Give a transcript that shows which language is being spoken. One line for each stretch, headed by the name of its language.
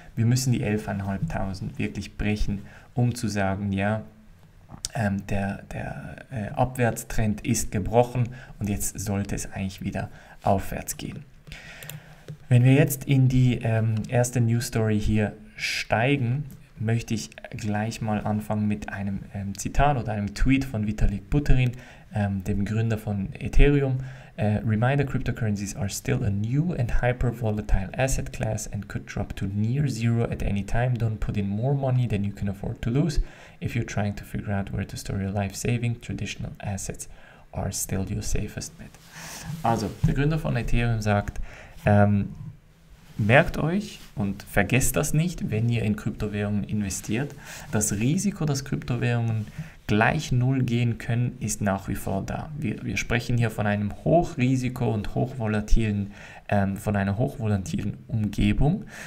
German: Wir müssen die 11.500 wirklich brechen, um zu sagen, ja, der Abwärtstrend ist gebrochen und jetzt sollte es eigentlich wieder aufwärts gehen. Wenn wir jetzt in die erste News Story hier steigen, möchte ich gleich mal anfangen mit einem Zitat oder einem Tweet von Vitalik Buterin, dem Gründer von Ethereum.
English: Reminder, cryptocurrencies are still a new and hyper-volatile asset class and could drop to near zero at any time. Don't put in more money than you can afford to lose. If you're trying to figure out where to store your life saving, traditional assets are still your safest bet.
German: Also, der Gründer von Ethereum sagt, merkt euch und vergesst das nicht, wenn ihr in Kryptowährungen investiert. Das Risiko, dass Kryptowährungen gleich null gehen können, ist nach wie vor da. Wir sprechen hier von einem Hochrisiko und hochvolatilen, von einer hochvolatilen Umgebung.